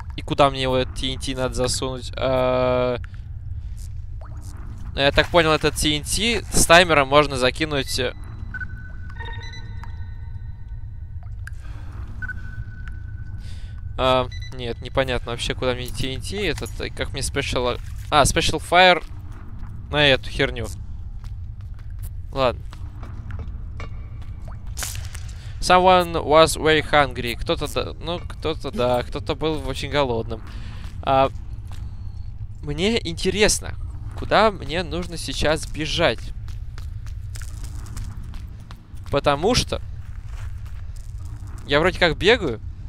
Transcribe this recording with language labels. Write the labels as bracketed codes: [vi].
[ru] И куда мне его TNT надо засунуть? Я так понял, этот TNT с таймером можно закинуть... нет, непонятно вообще, куда мне TNT этот, как мне Special... А, Special Fire на эту херню. Ладно. [en] Someone was very hungry. [ru] Кто-то, да, ну, кто-то, да, кто-то был очень голодным. Мне интересно, куда мне нужно сейчас бежать? Потому что... Я вроде как бегаю.